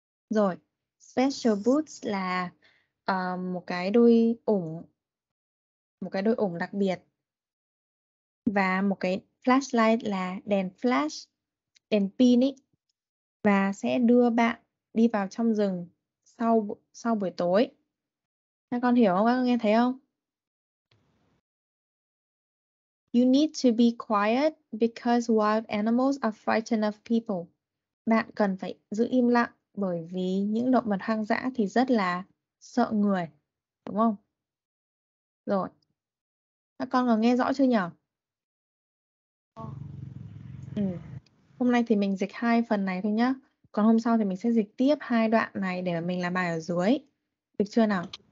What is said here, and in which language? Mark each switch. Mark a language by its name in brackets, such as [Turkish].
[Vietnamese] Rồi, special boots là một cái đôi ủng đặc biệt, và một cái flashlight là đèn flash, đèn pin ấy, và sẽ đưa bạn đi vào trong rừng sau buổi tối. Các con hiểu không? Các con nghe thấy không? [English] You need to be quiet because wild animals are frightened of people. [Vietnamese] Bạn cần phải giữ im lặng bởi vì những động vật hoang dã thì rất là sợ người, đúng không? Rồi, các con có nghe rõ chưa nhở? Hôm nay thì mình dịch hai phần này thôi nhá, còn hôm sau thì mình sẽ dịch tiếp hai đoạn này để mình làm bài ở dưới, được chưa nào?